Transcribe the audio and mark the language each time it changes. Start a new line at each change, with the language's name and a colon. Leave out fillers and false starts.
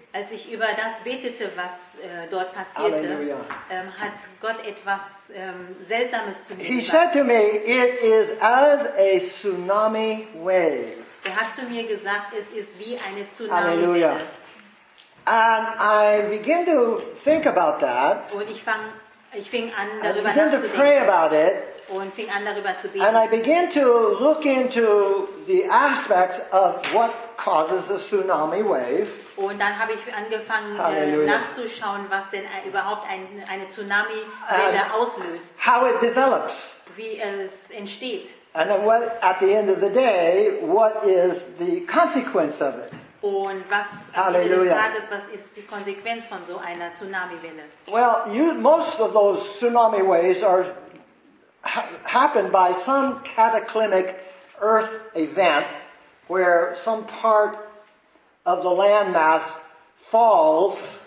German: Als ich über das betete, was dort passierte, hat Gott etwas Seltsames zu mir gesagt.
English: He said to me, it is as a tsunami wave.
German: Er hat zu mir gesagt, es ist wie eine Tsunami. Halleluja.
English: And I begin to think about that.
German: Und ich fing an darüber nachzudenken.
English: I begin to pray about it.
German: Und fing an darüber zu beten.
English: And I began to look into the aspects of what causes a tsunami wave.
German: Und dann habe ich angefangen nachzuschauen, was denn überhaupt eine Tsunami-Welle auslöst.
English: How it develops.
German: Wie es entsteht.
English: And then at the end of the day, what is the consequence of it?
German: Und was Halleluja. Am Ende des Tages, was ist die Konsequenz von so einer Tsunami-Welle?
English: Well, most of those tsunami waves are happened by some cataclysmic earth event where some part of the landmass falls.